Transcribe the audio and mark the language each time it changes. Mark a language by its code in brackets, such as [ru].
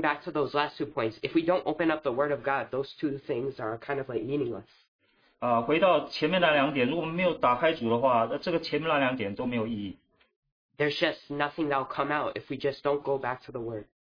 [en] back to those last two points, if we don't open up the Word of God, those two things are kind of like meaningless. [zh] 回到前面那两点，如果我们没有打开主的话，这个前面那两点都没有意义。 [en] There's just nothing that will come out if we just don't go back to the Word.